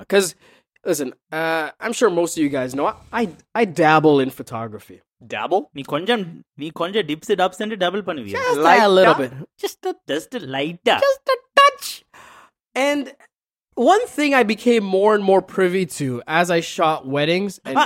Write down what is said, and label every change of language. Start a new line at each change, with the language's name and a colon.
English: Because, listen, I'm sure most of you guys know, I dabble in photography. Dabble?
Tamil: நீ கொஞ்சம் tips dubs என்று double பண்ணுவியா?
English: Just like a little bit. Just a lighter. Just a touch. And one thing I became more and more privy to as I shot weddings.